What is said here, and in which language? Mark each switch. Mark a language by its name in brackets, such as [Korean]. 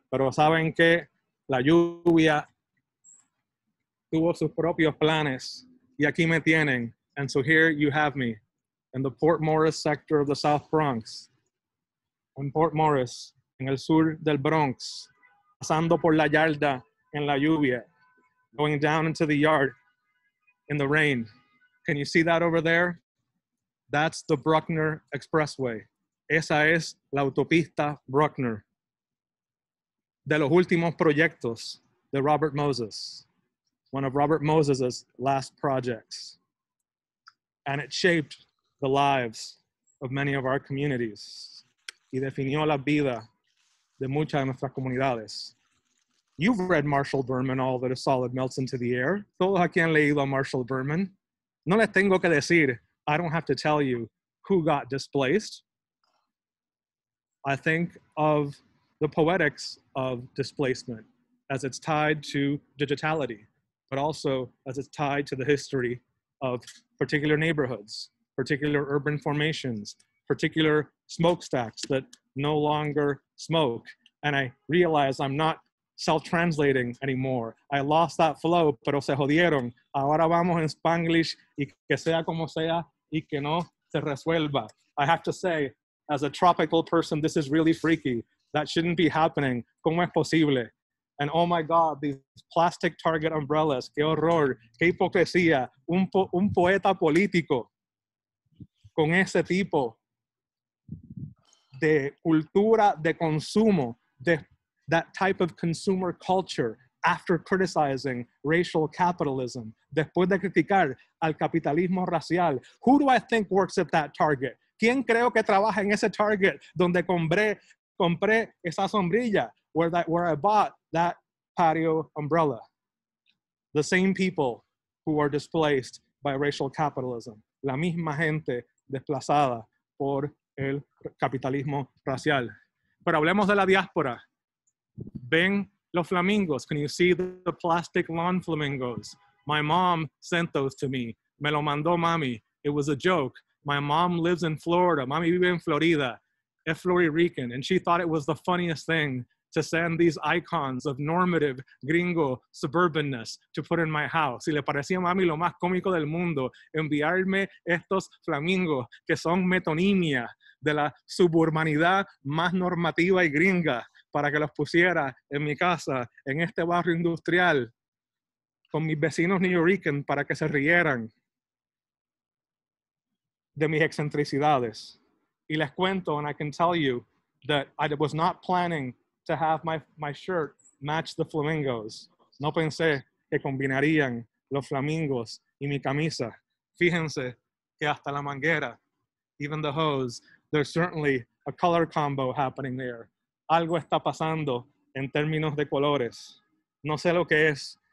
[Spanish] Pero saben que la lluvia tuvo sus propios planes. Y aquí me tienen. [English] And so here you have me in the Port Morris sector of the South Bronx. [Spanish] In Port Morris, en el sur del Bronx. Pasando por la yarda en la lluvia. [English] Going down into the yard in the rain. Can you see that over there? That's the Bruckner Expressway. [Spanish] Esa es la autopista Bruckner. De los últimos proyectos de Robert Moses. [English] One of Robert Moses's last projects. And it shaped the lives of many of our communities. [Spanish] Y definió la vida de muchas de nuestras comunidades. [English] You've read Marshall Berman, All That Is Solid Melts Into the Air. [Spanish] Todos aquí han leído Marshall Berman. No les tengo que decir, [English] I don't have to tell you who got displaced. I think of the poetics of displacement as it's tied to digitality, but also as it's tied to the history of particular neighborhoods, particular urban formations, particular smokestacks that no longer smoke. And I realize I'm not self-translating anymore. I lost that flow, [Spanish] pero se jodieron. Ahora vamos en Spanglish y que sea como sea y que no se resuelva. [English] I have to say, as a tropical person, this is really freaky. That shouldn't be happening. [Spanish] ¿Cómo es posible? [English] And oh my God, these plastic Target umbrellas. [Spanish] ¡Qué horror! ¡Qué hipocresía! Un poeta político con ese tipo de cultura de consumo, de [English] that type of consumer culture after criticizing racial capitalism, [Spanish] después de criticar al capitalismo racial. [English] Who do I think works at that Target? [Spanish] ¿Quién creo que trabaja en ese Target donde compré esa sombrilla, [English] where I bought that patio umbrella? The same people who are displaced by racial capitalism. [Spanish] La misma gente desplazada por el capitalismo racial. Pero hablemos de la diáspora. Ven los flamingos. [English] Can you see the plastic lawn flamingos? My mom sent those to me. [Spanish] Me lo mandó mami. [English] It was a joke. My mom lives in Florida. [Spanish] Mami vive en Florida. Es florirican. [English] And she thought it was the funniest thing to send these icons of normative gringo suburbanness to put in my house. [Spanish] Y le parecía a mami lo más cómico del mundo enviarme estos flamingos que son metonimia de la suburbanidad más normativa y gringa. Para que los pusiera en mi casa, en este barrio industrial, con mis vecinos New Yorkers, para que se rieran de mis excentricidades. Y les cuento, [English] and I can tell you, that I was not planning to have my shirt match the flamingos. [Spanish] No pensé que combinarían los flamingos y mi camisa. Fíjense que hasta la manguera, [English] even the hose, there's certainly a color combo happening there. [Spanish] Algo está pasando en términos de colores. No sé lo que es.